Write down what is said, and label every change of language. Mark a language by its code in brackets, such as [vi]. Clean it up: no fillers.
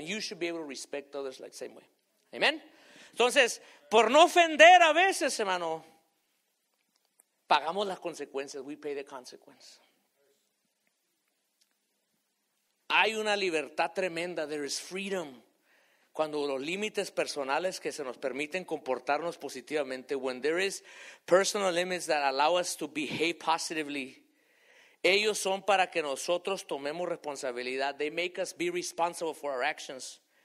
[en] You should be able to respect others like same way. Amen. [es] Entonces, por no ofender a veces, hermano, pagamos las consecuencias. [en] We pay the consequence. [es] Hay una libertad tremenda. [en] There is freedom. [es] Cuando los límites personales que se nos permiten comportarnos positivamente. [en] When there is personal limits that allow us to behave positively. [es] Ellos son para que nosotros tomemos responsabilidad. [en] They make us be responsible for our actions.